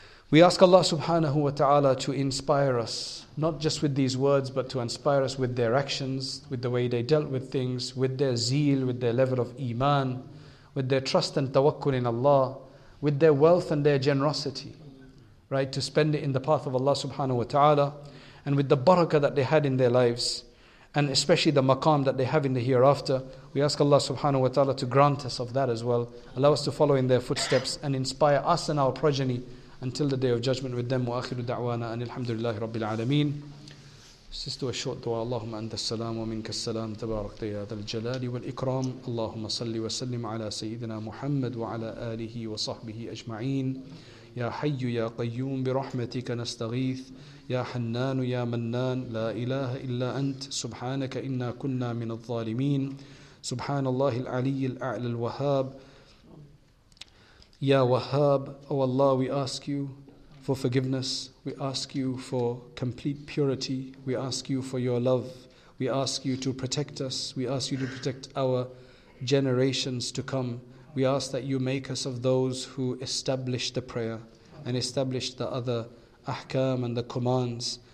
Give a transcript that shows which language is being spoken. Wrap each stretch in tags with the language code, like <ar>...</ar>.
<en>We ask Allah subhanahu wa ta'ala to inspire us, not just with these words, but to inspire us with their actions, with the way they dealt with things, with their zeal, with their level of iman, with their trust and tawakkul in Allah, with their wealth and their generosity, right, to spend it in the path of Allah subhanahu wa ta'ala, and with the barakah that they had in their lives, and especially the maqam that they have in the hereafter. We ask Allah subhanahu wa ta'ala to grant us of that as well. Allow us to follow in their footsteps and inspire us and our progeny until the Day of Judgment with them.</en> <ar>وَآخِرُ دَعْوَانَا أَنِ الْحَمْدُ لِلَّهِ رَبِّ الْعَالَمِينَ.</ar> <en>Just do a short dua.</en> <ar>اللهم أنت السلام ومنك السلام تبارك يا ذا الجلال والإكرام. اللهم صل وسلم على سيدنا محمد وعلى آله وصحبه أجمعين. يا حي يا قيوم برحمتك نستغيث. يا حنان يا منان لا إله إلا أنت سبحانك إنا كنا من الظالمين. سبحان الله العلي الأعلى الوهاب.</ar> <en>Ya Wahhab, O Allah, we ask you for forgiveness. We ask you for complete purity. We ask you for your love. We ask you to protect us. We ask you to protect our generations to come. We ask that you make us of those who establish the prayer and establish the other ahkam and the commands.</en>